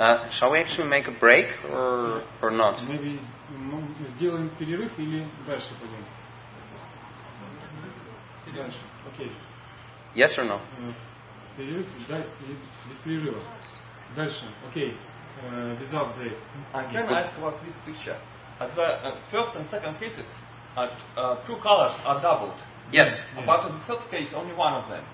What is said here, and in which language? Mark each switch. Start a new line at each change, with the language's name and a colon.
English: Shall we actually make a break or not? Maybe
Russian: сделаем перерыв или дальше пойдем? Дальше. Okay.
English: Yes or no?
Russian: Перерыв или без перерыва? Дальше.
English: Okay. Without break. Can I ask about this picture? At the first and second cases, two colors are doubled. Yes. But in the third case, only one of them.